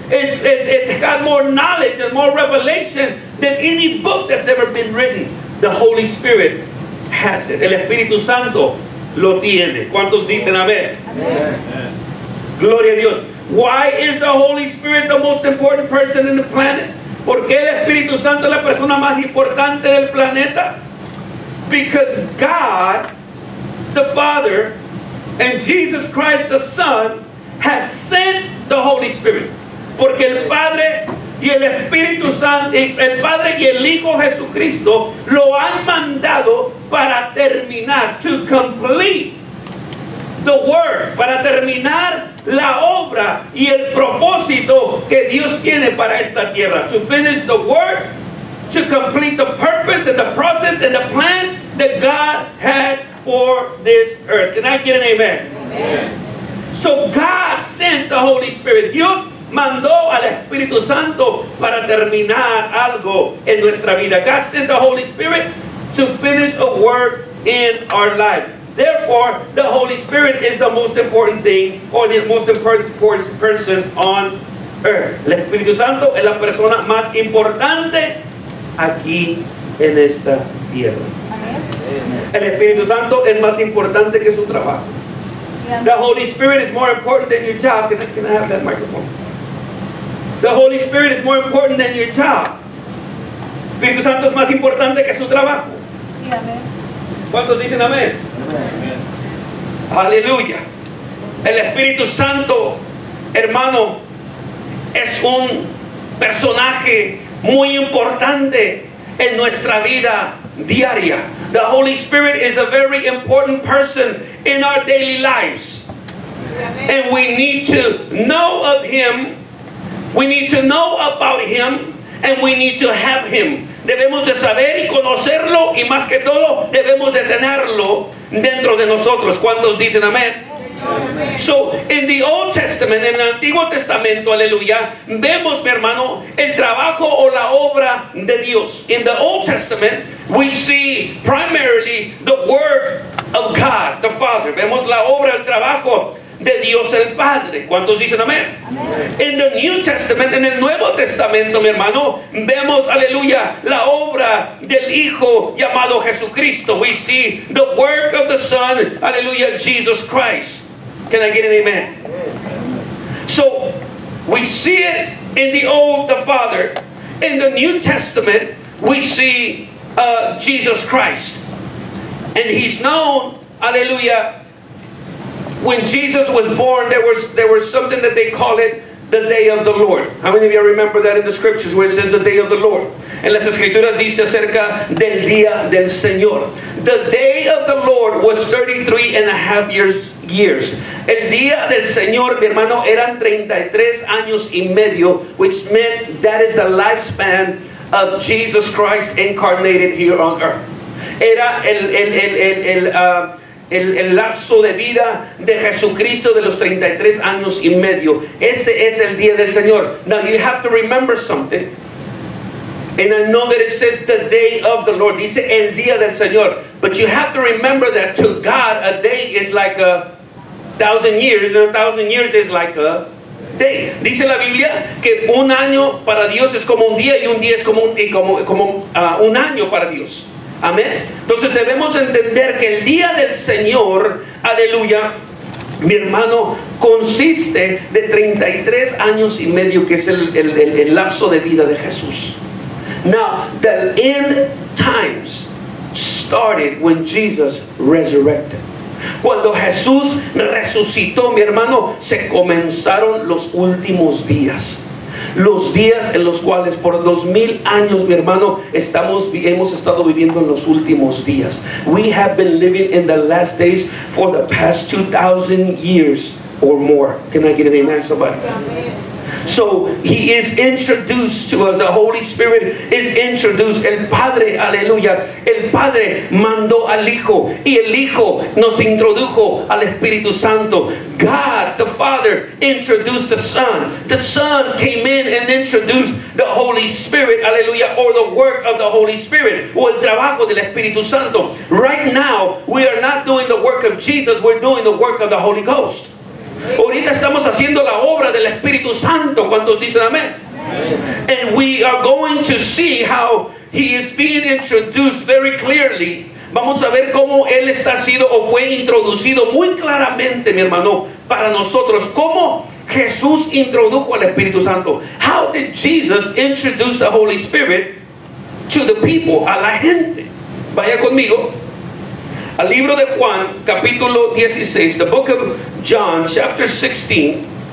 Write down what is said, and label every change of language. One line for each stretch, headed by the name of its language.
English: It's got more knowledge and more revelation than any book that's ever been written. The Holy Spirit has it.
Spanish: El Espíritu Santo lo tiene. ¿Cuántos dicen amén? Amén. Gloria a Dios.
English: Why is the Holy Spirit the most important person in the planet?
Spanish: ¿Por qué el Espíritu Santo es la persona más importante del planeta?
English: Because God, the Father, and Jesus Christ, the Son, has sent the Holy Spirit.
Spanish: Porque el Padre y el Espíritu Santo, el Padre y el Hijo Jesucristo, lo han mandado para terminar,
English: to complete the work,
Spanish: para terminar la obra y el propósito que Dios tiene para esta tierra.
English: To finish the work, to complete the purpose and the process and the plans that God had for this earth. Can I get an amen? Amen. So God sent the Holy Spirit.
Spanish: Dios mandó al Espíritu Santo para terminar algo en nuestra vida.
English: God sent the Holy Spirit to finish a work in our life. Therefore, the Holy Spirit is the most important thing or the most important person on earth.
Spanish: El Espíritu Santo es la persona más importante aquí en esta tierra. El Espíritu Santo es más importante que su trabajo.
English: The Holy Spirit is more important than your job. Can I have that microphone? The Holy Spirit is more important than your job.
Spanish: Espíritu Santo es más importante que su trabajo. Sí, amén. ¿Cuántos dicen amén? Amén. Aleluya. El Espíritu Santo, hermano, es un personaje muy importante en nuestra vida diaria.
English: The Holy Spirit is a very important person in our daily lives. And we need to know of Him. We need to know about Him. And we need to have Him.
Spanish: Debemos de saber y conocerlo. Y más que todo, debemos de tenerlo dentro de nosotros. ¿Cuántos dicen amén?
English: So, in the Old Testament,
Spanish: en el Antiguo Testamento, aleluya, vemos, mi hermano, el trabajo o la obra de Dios.
English: In the Old Testament, we see primarily the work of God, the Father.
Spanish: Vemos la obra, el trabajo de Dios el Padre. ¿Cuántos dicen amén? Amén.
English: In the New Testament,
Spanish: en el Nuevo Testamento, mi hermano, vemos, aleluya, la obra del Hijo llamado Jesucristo.
English: We see the work of the Son, aleluya, Jesus Christ. Can I get an amen? So, we see it in the Old, the Father. In the New Testament, we see Jesus Christ. And He's known, aleluya, when Jesus was born, there was something that they call it the day of the Lord. How many of you remember that in the scriptures where it says the day of the Lord?
Spanish: En las escrituras dice acerca del día del Señor.
English: The day of the Lord was 33 and a half years. El día del Señor, mi hermano, eran 33 años y medio, which meant that is the lifespan of Jesus Christ incarnated here on earth.
Spanish: Era el lapso de vida de Jesucristo de los 33 años y medio. Ese es el día del Señor.
English: Now you have to remember something. And I know that it says the day of the Lord.
Spanish: Dice el día del Señor.
English: But you have to remember that to God a day is like a 1,000 years. And 1,000 years is like a day.
Spanish: Dice la Biblia que un año para Dios es como un día y un día es como un año para Dios. Amén. Entonces debemos entender que el día del Señor, aleluya, mi hermano, consiste de 33 años y medio, que es el lapso de vida de Jesús.
English: Now, the end times started when Jesus resurrected.
Spanish: Cuando Jesús resucitó, mi hermano, se comenzaron los últimos días. Los días en los cuales por 2,000 años, mi hermano, hemos estado viviendo en los últimos días.
English: We have been living in the last days for the past 2,000 years or more. Can I get an amen, somebody? Amen. So He is introduced to us. The Holy Spirit is introduced.
Spanish: El Padre, aleluya, el Padre mandó al Hijo y el Hijo nos introdujo al Espíritu Santo.
English: God, the Father, introduced the Son. The Son came in and introduced the Holy Spirit, aleluya, or the work of the Holy Spirit,
Spanish: o el trabajo del Espíritu Santo.
English: Right now, we are not doing the work of Jesus, we're doing the work of the Holy Ghost.
Spanish: Ahorita estamos haciendo la obra del Espíritu Santo. ¿Cuántos dicen amén?
English: And we are going to see how He is being introduced very clearly.
Spanish: Vamos a ver cómo Él está sido o fue introducido muy claramente, mi hermano, para nosotros. ¿Cómo Jesús introdujo al Espíritu Santo?
English: How did Jesus introduce the Holy Spirit to the people,
Spanish: a la gente? Vaya conmigo al libro de Juan, capítulo 16,
English: the book of John, chapter 16.